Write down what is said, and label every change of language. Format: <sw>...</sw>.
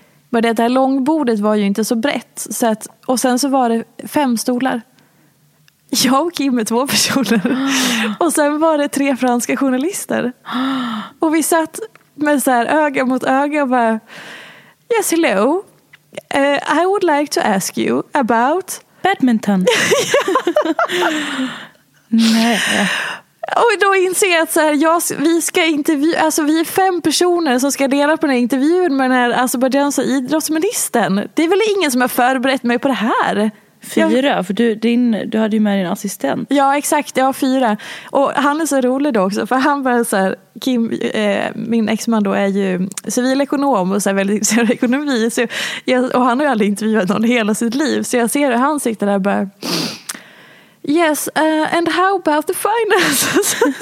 <sv>Men det här långbordet var ju inte så brett. Så att, och sen så var det 5 stolar. Jag och Kim med 2 personer. Och sen var det 3 franska journalister. Och vi satt med så här öga mot öga och bara,</sv> <en>yes, hello. I would like to ask you about... badminton.</en> <sv>Nej. Och då inser jag att så här, vi ska intervjua, alltså vi är 5 personer som ska dela på den här intervjun med den här azerbajdzjanska idrottsministern. Det är väl ingen som har förberett mig på det här. 4, för du hade ju med din assistent. Ja, exakt, jag har 4. Och han är så rolig då också, för han var så här, Kim, min exman då, är ju civilekonom och så här väldigt intresserad av ekonomi. Så jag, och han har ju aldrig intervjuat någon hela sitt liv, så jag ser hur han sitter där och bara...</sv> <en>Yes, and how about the finances?</en>